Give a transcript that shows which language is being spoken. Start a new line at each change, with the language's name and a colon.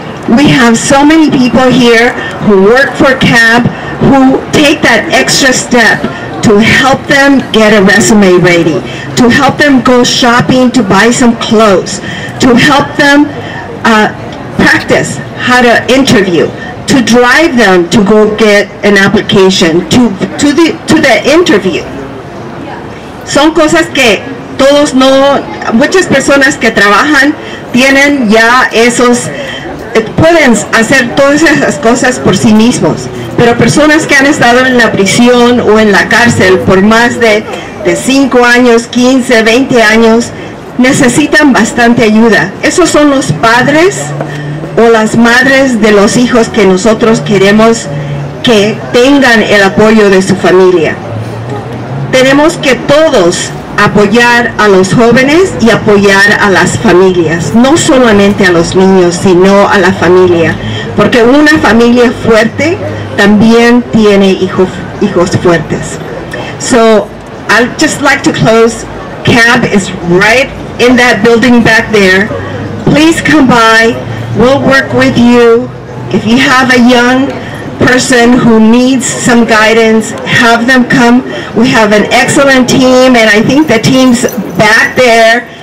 English: We have so many people here who work for CAB who take that extra step to help them get a resume ready, to help them go shopping to buy some clothes, to help them practice how to interview, to drive them to go get an application to the interview.
Spanish: Son cosas que todos no, muchas personas que trabajan tienen ya esos, pueden hacer todas esas cosas por sí mismos. Pero personas que han estado en la prisión o en la cárcel por más de 5 años, 15, 20 años, necesitan bastante ayuda. Esos son los padres o las madres de los hijos que nosotros queremos que tengan el apoyo de su familia. Tenemos que todos apoyar a los jóvenes y apoyar a las familias, no solamente a los niños, sino a la familia, porque una familia fuerte también tiene hijos fuertes.
English: So, I'd just like to close. CAB is right in that building back there. Please come by. We'll work with you. If you have a young person who needs some guidance, have them come. We have an excellent team, and I think the team's back there.